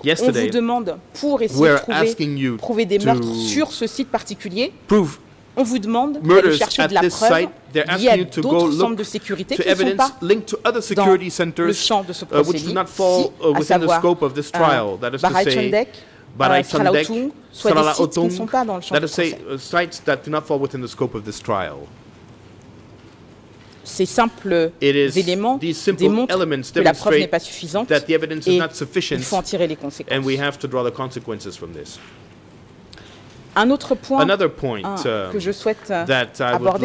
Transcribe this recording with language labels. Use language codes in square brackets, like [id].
[fr] on vous demande pour essayer de trouver des meurtres sur ce site particulier. [en] Prove. [fr] On vous demande d'aller chercher de la preuve. Il y a d'autres centres de sécurité qui ne sont pas [en] linked to other security centers, [fr] dans le champ de ce procès, [en] which do not fall within the scope of this trial. That is to say, [fr] Baraichandek, soit des sites qui ne sont pas dans le champ de procès. [en] That is to say, sites that do not fall within the scope of this trial. [fr] Ces simples éléments démontrent que la preuve n'est pas suffisante et il faut en tirer les conséquences. [en] And we have to draw the consequences from this. [fr] Un autre point que je souhaite aborder,